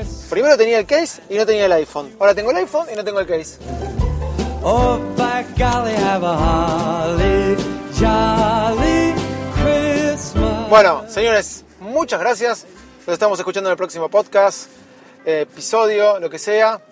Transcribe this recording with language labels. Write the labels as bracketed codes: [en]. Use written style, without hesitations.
[es] Primero tenía el case y no tenía el iPhone. Ahora tengo el iPhone y no tengo el case. [en] Oh, by golly, have a holly, jolly Christmas. [es] Bueno, señores, muchas gracias. Nos estamos escuchando en el próximo podcast, episodio, lo que sea.